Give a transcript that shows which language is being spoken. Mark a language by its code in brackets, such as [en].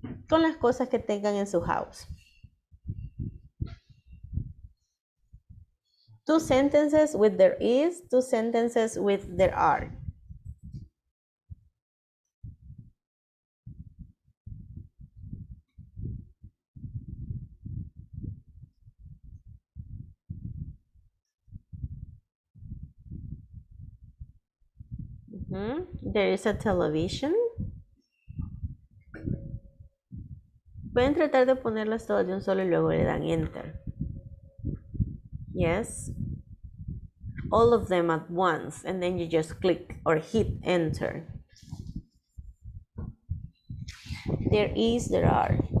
[es] con las cosas que tengan en su house. [en] Two sentences with there is, two sentences with there are. There is a television. [es] Pueden tratar de ponerlas todas de un solo y luego le dan enter. [en] Yes. All of them at once and then you just click or hit enter. There is, there are.